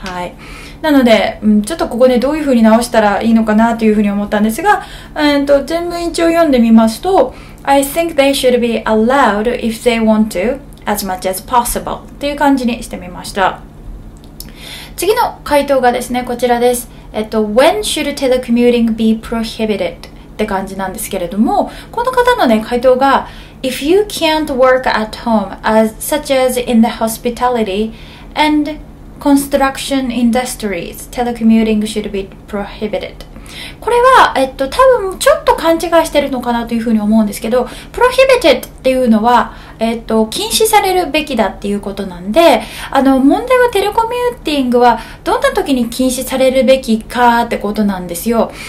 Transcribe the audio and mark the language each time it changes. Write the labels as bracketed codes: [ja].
[ja] はい。なので、ちょっとここでどういうふうに直したらいいのかなというふうに思ったんですが、全文一応読んでみますと、 [en] I think they should be allowed if they want to as much as possible [ja] っていう感じにしてみました。次の回答がですね、こちらです。 [en] When should telecommuting be prohibited [ja] って感じなんですけれども、この方のね回答が、 [en] If you can't work at home, such as in the hospitality and construction industries, telecommuting should be prohibited. [ja] これは、多分ちょっと勘違いしてるのかなというふうに思うんですけど、prohibited っていうのは、禁止されるべきだっていうことなんで、問題はテレコミューティングはどんな時に禁止されるべきかってことなんですよ。